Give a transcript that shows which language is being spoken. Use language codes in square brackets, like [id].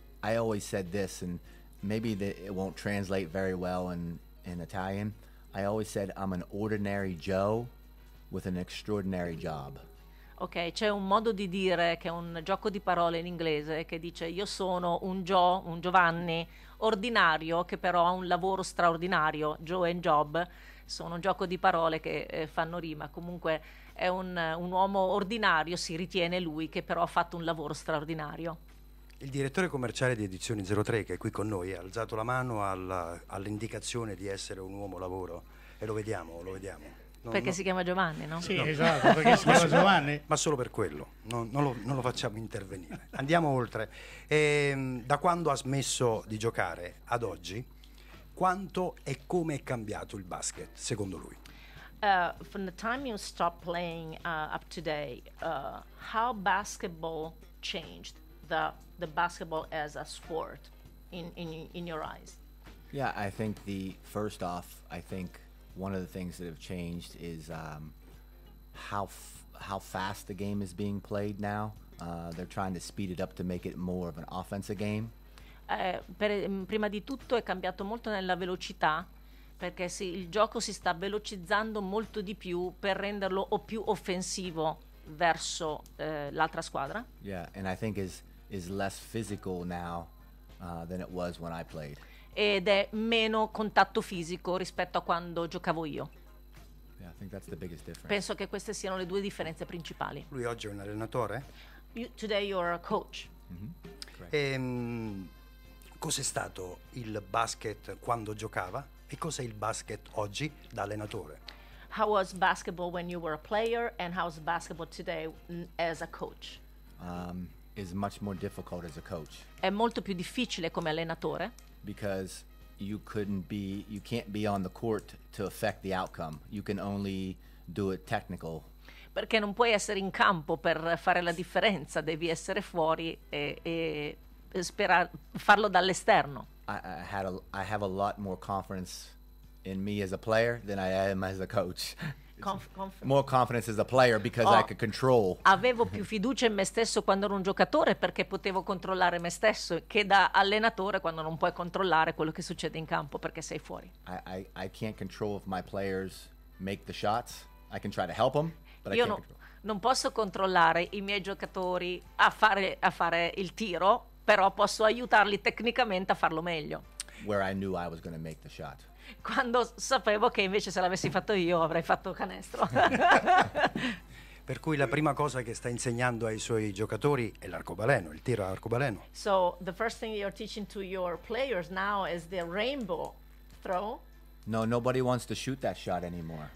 [en] I always said this, and maybe it won't translate very well in Italian. I always said I'm an ordinary Joe with an extraordinary job. [it] Ok, c'è un modo di dire, che è un gioco di parole in inglese, che dice: io sono un Joe, un Giovanni ordinario, che però ha un lavoro straordinario. Joe and Job sono un gioco di parole che fanno rima. Comunque è un uomo ordinario, si ritiene lui, che però ha fatto un lavoro straordinario. Il direttore commerciale di Edizioni 03, che è qui con noi, ha alzato la mano all'indicazione di essere un uomo lavoro, e lo vediamo. Perché si chiama Giovanni, no? Sì, no. Esatto, perché si chiama Giovanni. Ma solo per quello, non lo facciamo intervenire. Andiamo oltre. Da quando ha smesso di giocare ad oggi, quanto e come è cambiato il basket, secondo lui? [en] From the time you stopped playing up today, how basketball changed the basketball as a sport in your eyes? Yeah, I think the first off, I think one of the things that have changed is how fast the game is being played now. They're trying to speed it up to make it more of an offensive game. [it] Prima di tutto è cambiato molto nella velocità, perché sì, il gioco si sta velocizzando molto di più per renderlo o più offensivo verso l'altra squadra. [en] Yeah, and I think is less physical now than it was when I played. [it] Ed è meno contatto fisico rispetto a quando giocavo io. [en] Yeah, I think that's the biggest difference. [it] Penso che queste siano le due differenze principali. Lui oggi è un allenatore? [en] Today you're a coach. Mm-hmm. [it] Cos'è stato il basket quando giocava e cos'è il basket oggi da allenatore? [en] How was basketball when you were a player and how's basketball today as a coach? Is much more difficult as a coach. [it] È molto più difficile come allenatore. [en] Because you can't be on the court to affect the outcome. You can only do it technical. [it] Perché non puoi essere in campo per fare la differenza, devi essere fuori e farlo dall'esterno. [en] I have a lot more confidence in me as a player than I am as a coach. confidence. More confidence as a player because I could control. [it] Avevo più fiducia in me stesso quando ero un giocatore perché potevo controllare me stesso che da allenatore quando non puoi controllare quello che succede in campo perché sei fuori. [en] I can't control if my players make the shots. I can try to help them, but [it] Io [en] I can't control. [it] Non posso controllare i miei giocatori a fare il tiro, però posso aiutarli tecnicamente a farlo meglio. [en] Where I knew I was going to make the shot. [it] Quando sapevo che invece se l'avessi fatto io avrei fatto canestro. Per cui la prima cosa che sta insegnando ai suoi giocatori è l'arcobaleno, il tiro all'arcobaleno. [en] So the first thing you're teaching to your players now is the rainbow throw. No, nobody wants to shoot that shot anymore.